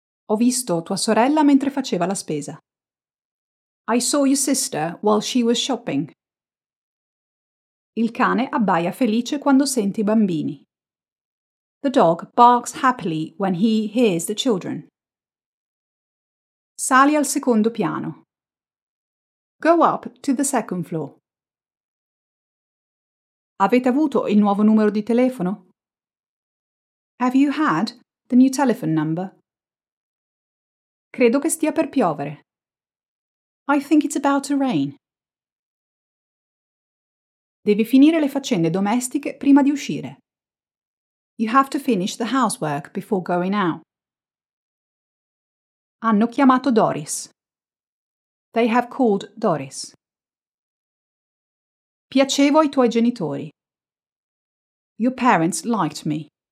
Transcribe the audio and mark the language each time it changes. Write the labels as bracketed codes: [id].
[it] Ho visto tua sorella mentre faceva la spesa. [en] I saw your sister while she was shopping. [it] Il cane abbaia felice quando sente i bambini. [en] The dog barks happily when he hears the children. [it] Sali al secondo piano. [en] Go up to the second floor. [it] Avete avuto il nuovo numero di telefono? [en] Have you had the new telephone number? [it] Credo che stia per piovere. [en] I think it's about to rain. [it] Devi finire le faccende domestiche prima di uscire. [en] You have to finish the housework before going out. [it] Hanno chiamato Doris. [en] They have called Doris. [it] Piacevo ai tuoi genitori. [en] Your parents liked me.